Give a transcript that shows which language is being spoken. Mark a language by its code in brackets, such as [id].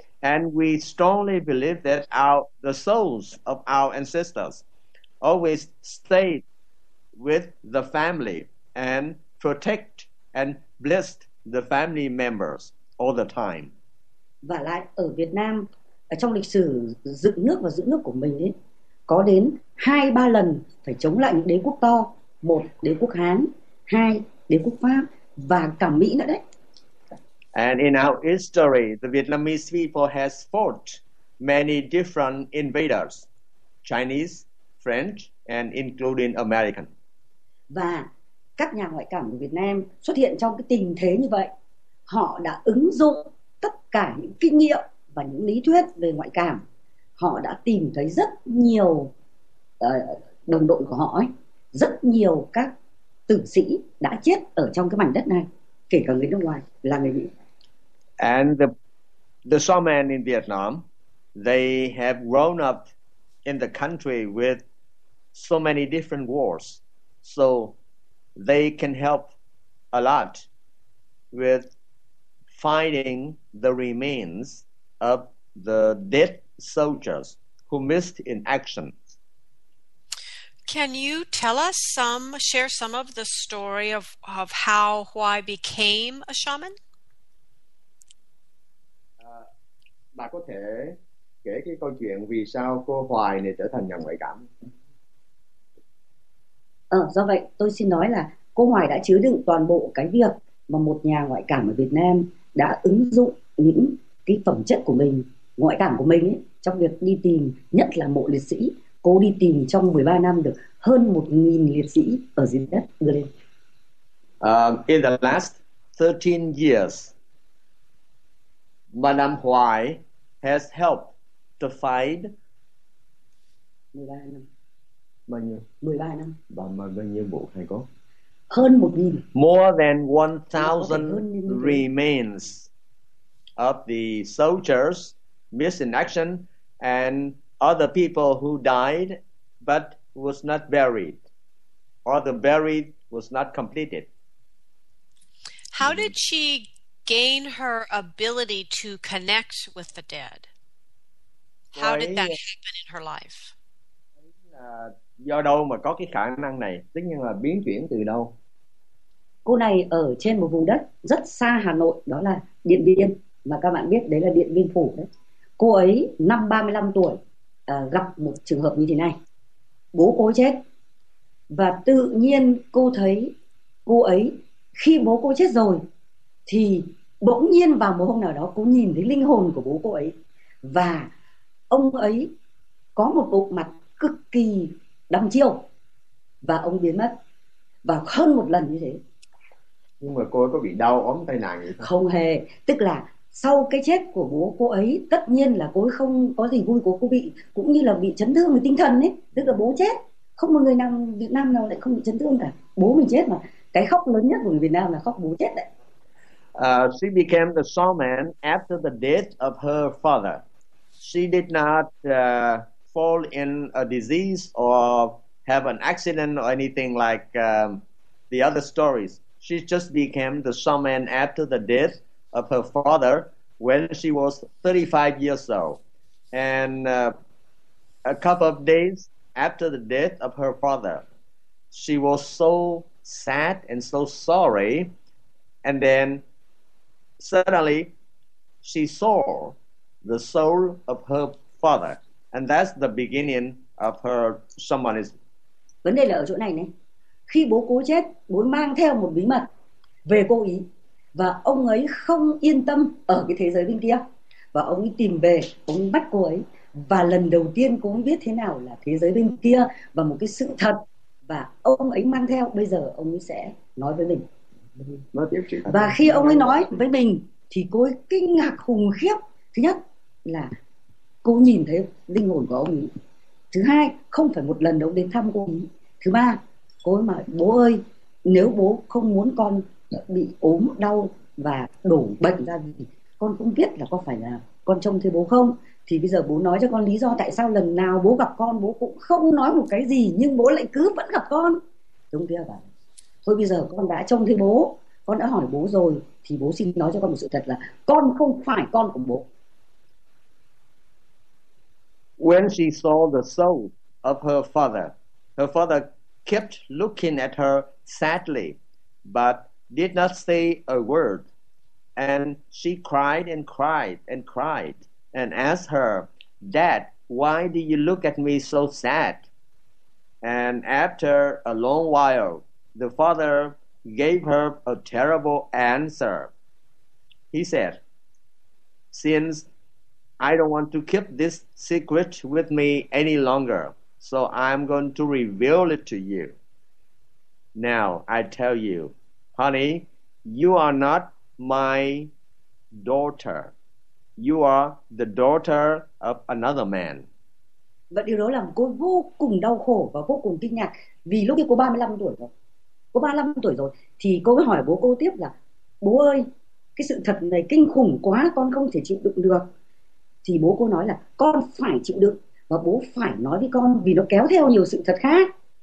[en] And we strongly believe that the souls of our ancestors always stay with the family and protect and bless the family members all the time. [vi] Và lại ở Việt Nam, ở trong lịch sử dựng nước và giữ nước của mình ấy, có đến 2-3 lần phải chống lại những đế quốc to, một đế quốc Hán, hai đế quốc Pháp và cả Mỹ nữa đấy. [en] And in our history, the Vietnamese people has fought many different invaders, Chinese, French, and including American. [vi] Và các nhà ngoại cảm của Việt Nam xuất hiện trong cái tình thế như vậy, họ đã ứng dụng tất cả những kinh nghiệm và những lý thuyết về ngoại cảm. Họ đã tìm thấy rất nhiều đồng đội của họ ấy, rất nhiều các tử sĩ đã chết ở trong cái mảnh đất này, kể cả người nước ngoài là người Mỹ. [en] And the shaman in Vietnam, they have grown up in the country with so many different wars, so they can help a lot with finding the remains of the dead soldiers who missed in action. Can you tell us share some of the story of how Huai became a shaman? [vi] Bà có thể kể cái câu chuyện vì sao cô Huai này trở thành nhà ngoại cảm. Do vậy tôi xin nói là cô Huai đã chứa đựng toàn bộ cái việc mà một nhà ngoại cảm ở Việt Nam đã ứng dụng những cái phẩm chất của mình, ngoại cảm của mình ấy, trong việc đi tìm, nhất là mộ liệt sĩ. Cô đi tìm trong 13 năm được hơn 1.000 liệt sĩ ở dưới đất đưa lên. [en] In the last 13 years, Madame Huai has helped to find [vi] 13 năm. Bao nhiêu? 13 năm. Bao nhiêu bộ hay có? Hơn 1.000. [en] More than 1,000 remains of the soldiers missed in action and other people who died but was not buried, or the buried was not completed. How did she gain her ability to connect with the dead? How did that happen in her life? [vi] Do đâu mà có cái khả năng này? Tất nhiên là biến chuyển từ đâu? Cô này ở trên một vùng đất rất xa Hà Nội, đó là Điện Biên. Mà các bạn biết đấy là Điện Biên Phủ đấy. Cô ấy năm 35 tuổi gặp một trường hợp như thế này. Bố cô chết, và tự nhiên cô thấy cô ấy, khi bố cô chết rồi thì bỗng nhiên vào một hôm nào đó cô nhìn thấy linh hồn của bố cô ấy, và ông ấy có một bộ mặt cực kỳ đăm chiêu, và ông biến mất, và hơn một lần như thế. Nhưng mà cô ấy có bị đau ốm tai nạn gì không? Không hề. Tức là sau cái chết của bố cô ấy, tất nhiên là cô ấy không có gì vui, cô bị cũng như là bị chấn thương về tinh thần ấy, tức là bố chết, không một người nào Việt Nam nào lại không bị chấn thương cả, bố mình chết mà, cái khóc lớn nhất của người Việt Nam là khóc bố chết đấy. [en] She became the shaman after the death of her father. She did not fall in a disease or have an accident or anything like the other stories. She just became the shaman after the death of her father when she was 35 years old. And a couple of days after the death of her father, she was so sad and so sorry. And then suddenly she saw the soul of her father. And that's the beginning of her shamanism. [vi] Vấn đề là ở chỗ này này. khi bố cô chết, bố mang theo một bí mật về cô ý, và ông ấy không yên tâm ở cái thế giới bên kia, và ông ấy tìm về, ông ấy bắt cô ấy, và lần đầu tiên cô ấy biết thế nào là thế giới bên kia và một cái sự thật, và ông ấy mang theo, bây giờ ông ấy sẽ nói với mình. Và khi ông ấy nói với mình thì cô ấy kinh ngạc khủng khiếp. Thứ nhất là cô nhìn thấy linh hồn của ông ấy. Thứ hai, không phải một lần ông đến thăm cô ấy. Thứ ba, cô ấy mà bố ơi, nếu bố không muốn con bị ốm đau và đổ bệnh ra gì, con cũng biết là có phải là con trông thấy bố không, thì bây giờ bố nói cho con lý do tại sao lần nào bố gặp con bố cũng không nói một cái gì, nhưng bố lại cứ vẫn gặp con. Đúng kia bảo thôi bây giờ con đã trông thấy bố, con đã hỏi bố rồi, thì bố xin nói cho con một sự thật là con không phải con của bố. [en] When she saw the soul of her father kept looking at her sadly, but did not say a word. And she cried and cried and cried and asked her, "Dad, why do you look at me so sad?" And after a long while, the father gave her a terrible answer. He said, "Since I don't want to keep this secret with me any longer, so I'm going to reveal it to you. Now I tell you, honey, you are not my daughter. You are the daughter of another man." [vi] Và điều đó làm cô vô cùng đau khổ và vô cùng kinh ngạc. Vì lúc kia cô 35 tuổi rồi. Cô 35 tuổi rồi. Thì cô mới hỏi bố cô tiếp là: "Bố ơi, cái sự thật này kinh khủng quá, con không thể chịu đựng được." Thì bố cô nói là con phải chịu đựng và bố phải nói với con vì nó kéo theo nhiều sự thật khác.